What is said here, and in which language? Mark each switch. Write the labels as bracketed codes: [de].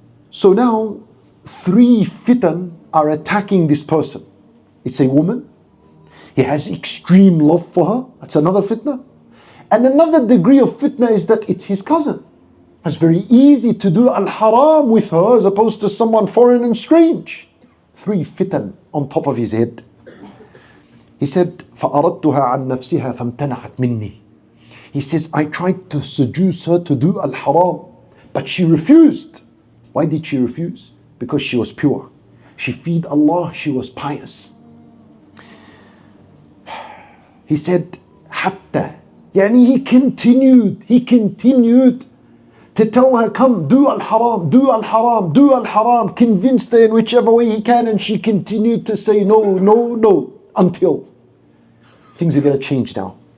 [en] So now, three fitan are attacking this person. It's a woman. He has extreme love for her. That's another fitna. And another degree of fitna is that it's his cousin. It's very easy to do al-haram with her as opposed to someone foreign and strange. Three fitan on top of his head. He said, [ar] فَأَرَدْتُهَا عَنْ نَفْسِهَا فَامْتَنَعَتْ مِنِّي. [en] He says, I tried to seduce her to do al-haram, but she refused. Why did she refuse? Because she was pure. She feared Allah, she was pious. He said, Hatta. Yani he continued to tell her, come, do al-haram, do al-haram, do al-haram, convinced her in whichever way he can, and she continued to say no, no, no, until things are gonna change now.